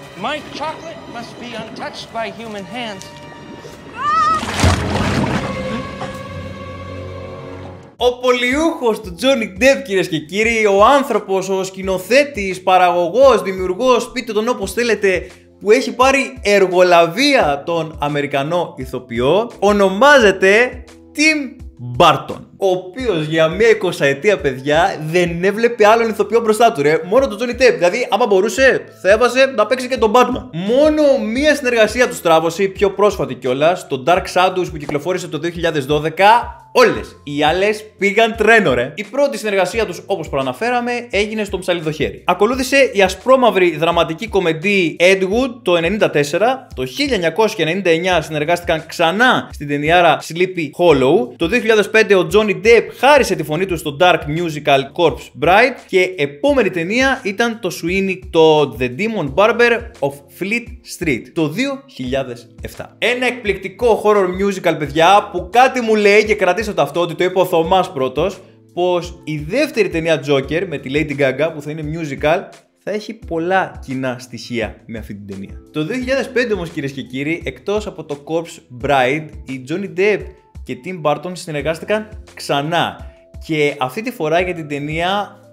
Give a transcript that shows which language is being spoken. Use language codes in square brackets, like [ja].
[en] My chocolate must be untouched by human hands. [el] Ο πολιούχος του Johnny Depp, κυρίες και κύριοι, ο άνθρωπος, ο σκηνοθέτης, παραγωγός, δημιουργός, πείτε τον όπως θέλετε, που έχει πάρει εργολαβία τον Αμερικανό ηθοποιό, ονομάζεται Tim Burton. Ο οποίος για μία 20ετία, παιδιά, δεν έβλεπε άλλον ηθοποιό μπροστά του, ρε. Μόνο τον Johnny Depp. Δηλαδή, άμα μπορούσε, θα έβαζε να παίξει και τον Batman. Μόνο μία συνεργασία του στράβωσε, πιο πρόσφατη κιόλας, το Dark Shadows που κυκλοφόρησε το 2012, όλες οι άλλες πήγαν τρένο, ρε. Η πρώτη συνεργασία τους, όπως προαναφέραμε, έγινε στο Ψαλιδοχέρι. Ακολούθησε η ασπρόμαυρη δραματική κομεντή Ed Wood το 1994. Το 1999 συνεργάστηκαν ξανά στην ταινιάρα Sleepy Hollow. Το 2005 ο Johnny Depp χάρισε τη φωνή του στο Dark Musical Corpse Bride. Και επόμενη ταινία ήταν το Sweeney Todd, The Demon Barber of Fleet Street το 2007. Ένα εκπληκτικό horror musical, παιδιά, που κάτι μου λέει και κρατήστε το αυτό ότι το είπε ο Θωμάς πρώτος, πως η δεύτερη ταινία Joker με τη Lady Gaga που θα είναι musical θα έχει πολλά κοινά στοιχεία με αυτή την ταινία. Το 2005 όμως, κυρίες και κύριοι, εκτός από το Corpse Bride, η Johnny Depp και Tim Burton συνεργάστηκαν ξανά και αυτή τη φορά για την ταινία